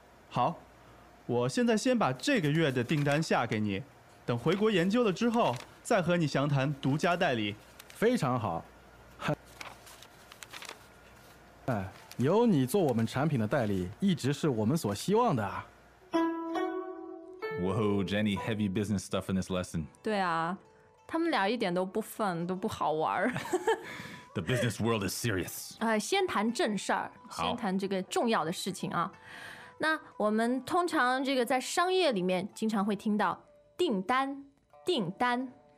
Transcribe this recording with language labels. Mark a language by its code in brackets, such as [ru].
[zh] 好，我现在先把这个月的订单下给你，等回国研究了之后再和你详谈独家代理。非常好。有你做我们产品的代理，一直是我们所希望的。 [en] Whoa, Jenny, heavy business stuff in this lesson. [zh] 对啊，他们俩一点都不 fun， 都不好玩。 [en] The business world is serious. [zh] 先谈正事儿，先谈这个重要的事情啊。那我们通常这个在商业里面经常会听到订单，订单。